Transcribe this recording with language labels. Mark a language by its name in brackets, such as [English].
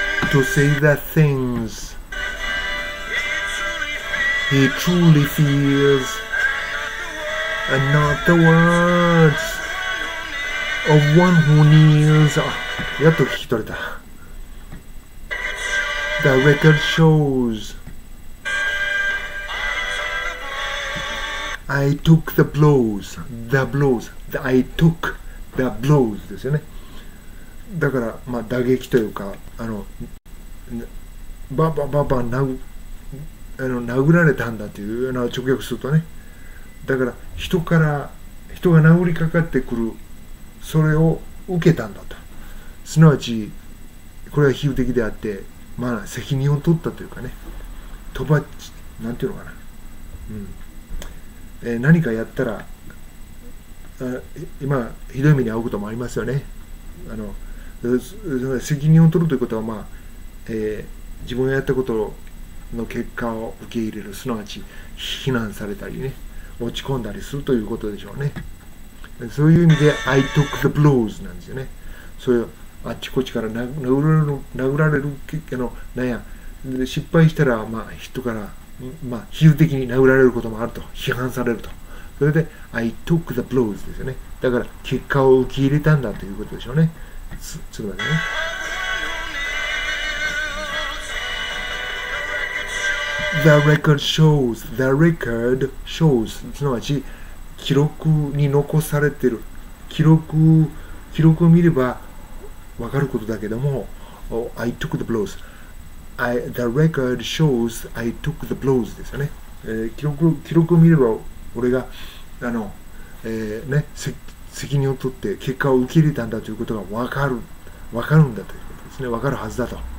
[English] To say the things he truly feels and not the words of one who kneels。 [Japanese] やっと聞き取れた。 [English] The record shows I took the blows。 The blows、 I took the blows [Japanese] ですよね。だから、まあ、打撃というか、バババババ殴られたんだというような直訳するとね、だから人が殴りかかってくる、それを受けたんだと。すなわちこれは比喩的であって、まあ、責任を取ったというかね、とばっち、なんていうのかな、何かやったら今ひどい目に遭うこともありますよね。あの責任を取るということは、まあ自分がやったことの結果を受け入れる、すなわち非難されたりね、落ち込んだりするということでしょうね。そういう意味で [English] I took the blows [Japanese] なんですよね。そういうあっちこっちから殴られる、あの、なんや、失敗したら、まあ、人から、まあ、比喩的に殴られることもあると、批判されると。それで、 [English] I took the blows [Japanese] ですよね。だから、結果を受け入れたんだということでしょうね。ちょっと待ってね。 [English] The record shows, the record shows、 [Japanese] すなわち、記録に残されている。記録を見れば、わかることだけども、 [English] oh, I took the blows. The record shows I took the blows [Japanese] ですよね。記録を見れば、俺が、あの、ね、責任を取って結果を受け入れたんだということがわかるんだということですね。わかるはずだと。